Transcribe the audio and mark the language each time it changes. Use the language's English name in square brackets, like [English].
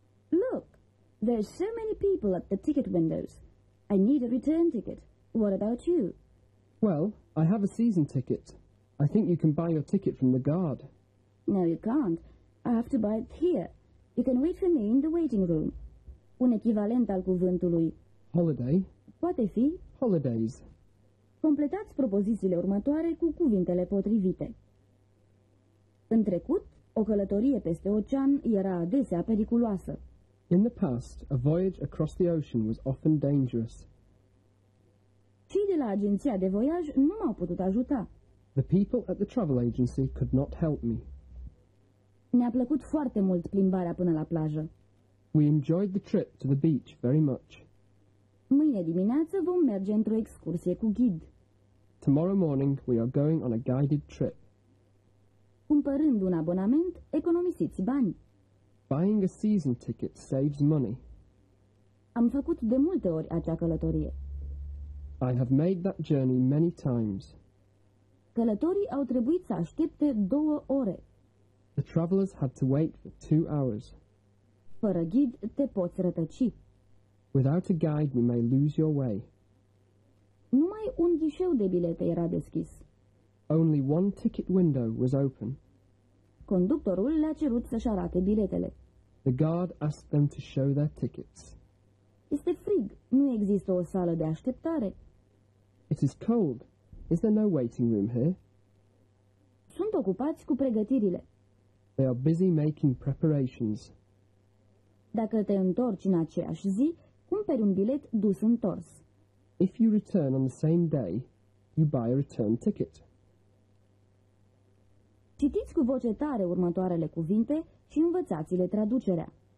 [English] Look, there's so many people at the ticket windows. I need a return ticket. What about you? Well, I have a season ticket. I think you can buy your ticket from the guard. No, you can't. I have to buy it here. You can wait for me in the waiting room. [Romanian] Un echivalent al cuvântului [English] holiday [Romanian] poate fi [English] holidays. [Romanian] Completați propozițiile următoare cu cuvintele potrivite. În trecut, o călătorie peste ocean era adesea periculoasă. [English] In the past, a voyage across the ocean was often dangerous. [Romanian] Cei de la agenția de voyaj nu m-au putut ajuta. [English] The people at the travel agency could not help me. [Romanian] Ne-a plăcut foarte mult plimbarea până la plajă. [English] We enjoyed the trip to the beach very much. [Romanian] Mâine dimineață vom merge într-o excursie cu ghid. [English] Tomorrow morning we are going on a guided trip. [Romanian] Cumpărând un abonament, economisiți bani. [English] Buying a season ticket saves money. [Romanian] Am făcut de multe ori acea călătorie. [English] I have made that journey many times. [Romanian] Călătorii au trebuit să aștepte 2 ore. [English] The travelers had to wait for 2 hours. [Romanian] Fără ghid, te poți rătăci. [English] Without a guide, you may lose your way. [Romanian] Numai un ghișeu de bilete era deschis. [English] Only one ticket window was open. [Romanian] Conductorul le-a cerut să-și arate biletele. [English] The guard asked them to show their tickets. [Romanian] Este frig. Nu există o sală de așteptare. [English] It is cold. Is there no waiting room here? [Romanian] Sunt ocupați cu pregătirile. [English] They are busy making preparations. [Romanian] Dacă te întorci în aceeași zi, cumperi un bilet dus întors. [English] If you return on the same day, you buy a return ticket. [Romanian] Citiți cu voce tare următoarele cuvinte și învățați-le traducerea.